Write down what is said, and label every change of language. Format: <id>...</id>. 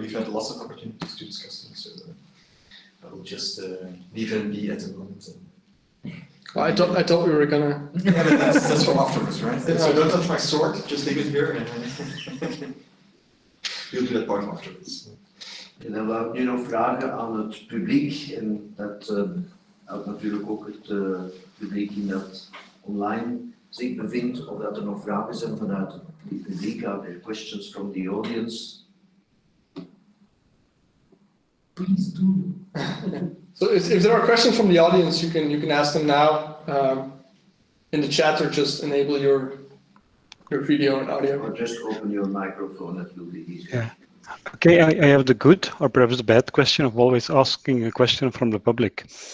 <en>We've had lots of opportunities to discuss them, so I will just leave him be at the moment and Well, I thought we were gonna. Yeah, but that's from afterwards, right? So don't touch my sword, just leave it here and you'll do that part afterwards.</en> <nl>En dan wou ik nu nog vragen aan het publiek, en dat helpt natuurlijk ook het publiek in dat online zich bevindt, of dat er nog vragen zijn vanuit het publiek,</nl> <en>are there questions from the audience? Please do. So if there are questions from the audience, you can ask them now in the chat, or just enable your video and audio. Or just open your microphone, that will be easier. Yeah. Okay, I have the good or perhaps the bad question of always asking a question from the public.</en>